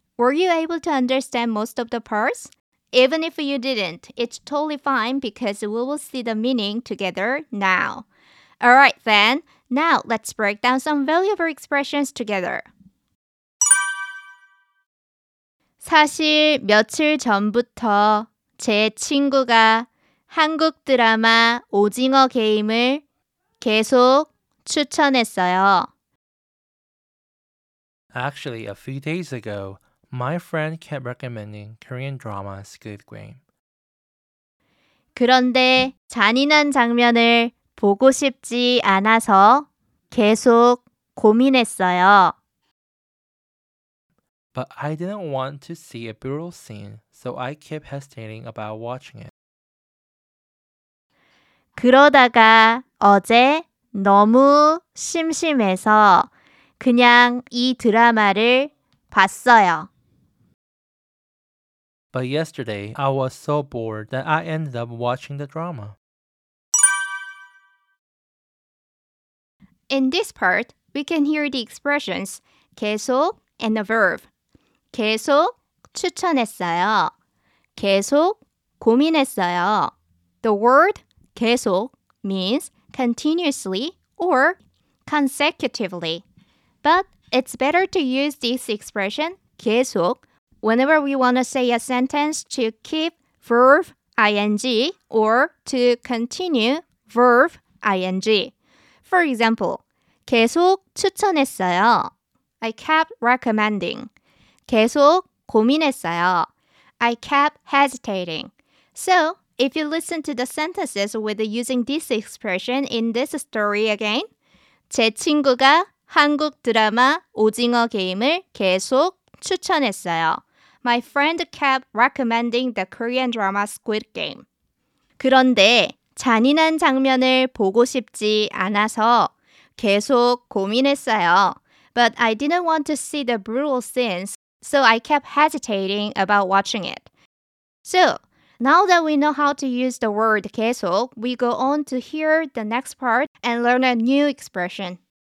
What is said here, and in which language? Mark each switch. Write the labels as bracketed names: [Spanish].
[English] Were you able to understand most of the parts? Even if you didn't, it's totally fine because we will see the meaning together now. Alright then, now let's break down some valuable expressions together. [Korean] 사실 며칠 전부터 제 친구가 한국 드라마 오징어 게임을 계속 추천했어요. [English] Actually, a few days ago, my friend kept recommending Korean drama Squid Game. [Korean] 그런데 잔인한 장면을 보고 싶지 않아서 계속 고민했어요. [English] But I didn't want to see a brutal scene, so I kept hesitating about watching it. [Korean] 그러다가 어제 너무 심심해서 그냥 이 드라마를 봤어요. [English] But yesterday, I was so bored that I ended up watching the drama. In this part, we can hear the expressions 계속 and the verb. [Korean] 계속 추천했어요. 계속 고민했어요. [English] The word 계속 means continuously or consecutively. But it's better to use this expression 계속 whenever we want to say a sentence to keep verb ing or to continue verb ing. For example, [Korean] 계속 추천했어요. [English] I kept recommending. [Korean] 계속 고민했어요. [English] I kept hesitating. So, if you listen to the sentences with using this expression in this story again, [Korean] 제 친구가 한국 드라마 오징어 게임을 계속 추천했어요. [English] My friend kept recommending the Korean drama Squid Game. [Korean] 그런데 잔인한 장면을 보고 싶지 않아서 계속 고민했어요. [English] But I didn't want to see the brutal scenes, so I kept hesitating about watching it. So, now that we know how to use the word 계속, we go on to hear the next part and learn a new expression.